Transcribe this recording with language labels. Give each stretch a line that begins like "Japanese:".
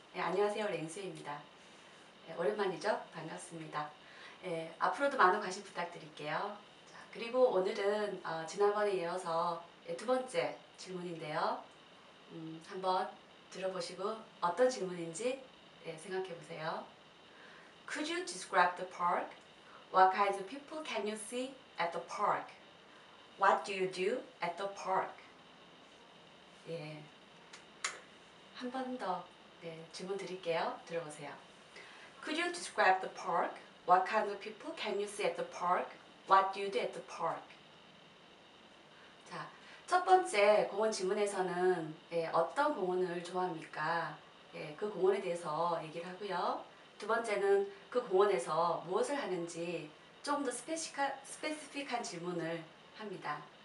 Korean: 안녕하세요, 랭스웨이입니다. 오랜만이죠? 반갑습니다. 앞으로도 많은 관심 부탁드릴게요. 자, 그리고 오늘은 지난번에 이어서 두 번째 질문인데요. 한번 들어보시고 어떤 질문인지 생각해 보세요.
English: Could you describe the park? What kinds of people can you see at the park? What do you do at the park?
Korean: 예. 한 번 더 질문 드릴게요. 들어보세요.
English: Could you describe the park? What kind of people can you see at the park? What do you do at the park?
Korean: 자, 첫 번째 공원 질문에서는 어떤 공원을 좋아합니까? 그 공원에 대해서 얘기를 하고요. 두 번째는 그 공원에서 무엇을 하는지 조금 더 스페시픽한 질문을 합니다.